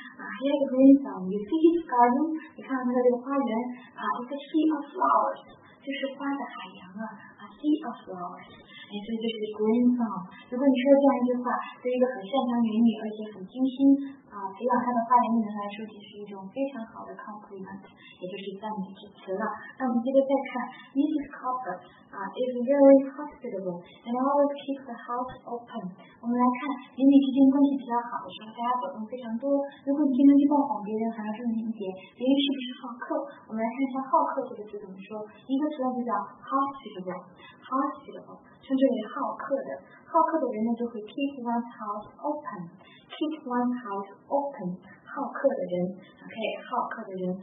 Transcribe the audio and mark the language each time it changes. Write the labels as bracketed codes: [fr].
[en] He has a green thumb， you see his garden， [zh] 你看他的这个花园啊， [en] it's a sea of flowers， [zh] 就是花的海洋啊， [en] a sea of flowers。 [zh] 哎，所以这是 green thumb。如果你说这样一句话，对一个很擅长园艺而且很精心培养他的花园的人来说，这是一种非常好的 compliment， 也就是赞美之词了。那我们接着再看 Mrs. [en] Copper is very hospitable and always keeps the house open。 [zh] 我们来看，邻里之间关系比较好的时候，大家走动非常多，如果你经常去拜访别人，还要注意一点，别人是不是好客。我们来看一下好客这个词怎么说。一个词呢就叫 hospitable，称之为好客的，好客的人呢就会 [en] keep one's house open， [zh] keep one's house open， 好客的人， OK， 好客的人。